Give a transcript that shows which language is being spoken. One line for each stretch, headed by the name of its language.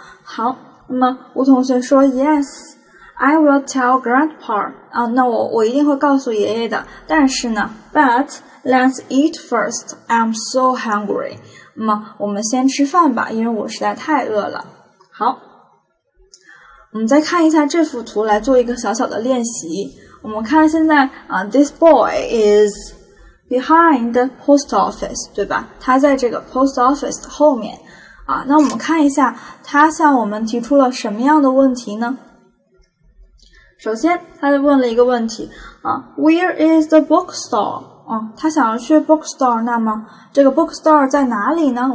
Chinese: 好，那么吴同学说
English: Yes, I will tell Grandpa
Chinese: 啊，那我一定会告诉爷爷的。但是呢 ，But
English: Let's eat first. I'm so hungry.
Chinese: 那么我们先吃饭吧，因为我实在太饿了。好，我们再看一下这幅图来做一个小小的练习。我们看现在
English: this boy is behind the post office, 对吧？
Chinese: 他在这个 post office 后面。那我们看一下他向我们提出了什么样的问题呢？首先他问了一个问题
English: Where is the bookstore?
Chinese: 他想要去 bookstore, 那么这个 bookstore 在哪里呢？